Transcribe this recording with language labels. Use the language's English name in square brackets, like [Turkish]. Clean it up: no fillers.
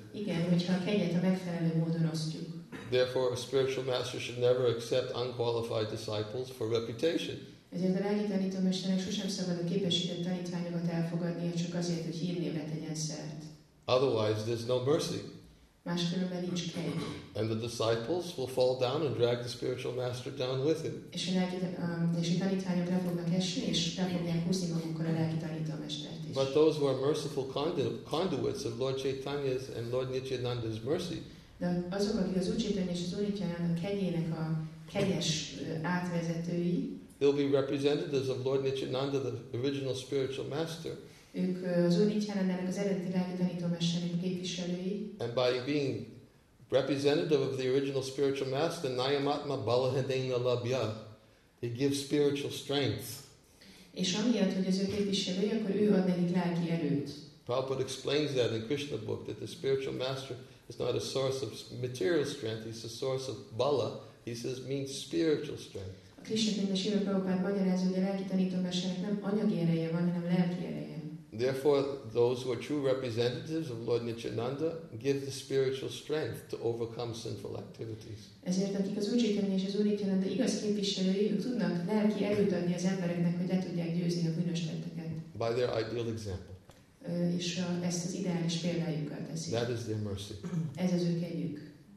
[Hungarian] Igen, hogyha a kegyet a megfelelő módon osztjuk. [English] Therefore, a spiritual master should never accept unqualified disciples for reputation. [Hungarian] Ezért a lelki tanító mesternek sosem szabad a képesített tanítványokat elfogadnia csak azért, hogy hírnévre tegyen szert. [English] Otherwise, there's no mercy. [Hungarian] Máskülönben nincs kegy. [English] And the disciples will fall down and drag the spiritual master down with him. [Hungarian] És a lelki tanítványok le fognak esni, és le fogják húzni magukkal a lelki tanító mestert. [English] But those who are merciful conduits of Lord Chaitanya's and Lord Nityananda's mercy. [Hungarian] De azok, akik az Úr Chaitanya és az Úr Nityananda kegyének a kegyes átvezetői. [English] They'll be representatives of Lord Nityananda, the original spiritual master. [Hungarian] Ők az Úr Nityanandának az eredeti lelki tanítómesterének képviselői. [English] And by being representative of the original spiritual master, [Sanskrit] Nayamatma Balahadena Labhya, [English] they give spiritual strength. [Hungarian] És amiatt, hogy az ő képviselői, akkor ő ad nekik lelki erőt. [English] Prabhupada explains that in Krishna book, that the spiritual master is not a source of material strength, he's a source of bala, he says, means spiritual strength. [Hungarian] A Krishna könyves Srila Prabhupada magyarázza, hogy a lelki tanítómesternek nem anyagi ereje van, hanem lelki ereje. [English] Therefore, those who are true representatives of Lord Nityananda give the spiritual strength to overcome sinful activities. [Hungarian] Ezért akik az Úr Chaitanya és az Úr Nityananda igaz képviselői, ők tudnak lelki erőt adni az embereknek, hogy le tudják győzni. meggyőzni a bűnösteket. [English] By their ideal example. [Hungarian] És ezt az ideális példájukkal teszik. [English] That is their mercy. [Hungarian] Ez az ő kegyük.